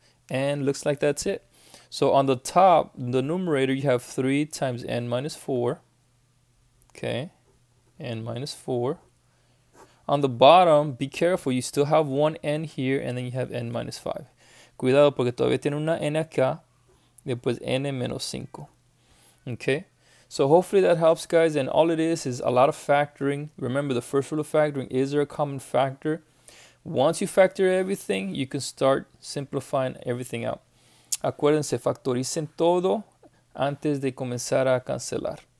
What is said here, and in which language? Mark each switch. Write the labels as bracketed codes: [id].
[en] And looks like that's it. So on the top, the numerator, you have 3 times n minus 4. Okay. N minus 4. On the bottom, be careful, you still have one n here, and then you have n minus 5. [es] Cuidado, porque todavía tiene una n acá, después n menos 5. [en] Okay? So hopefully that helps, guys, and all it is a lot of factoring. Remember, the first rule of factoring, is there a common factor? Once you factor everything, you can start simplifying everything out. [es] Acuérdense, factoricen todo antes de comenzar a cancelar.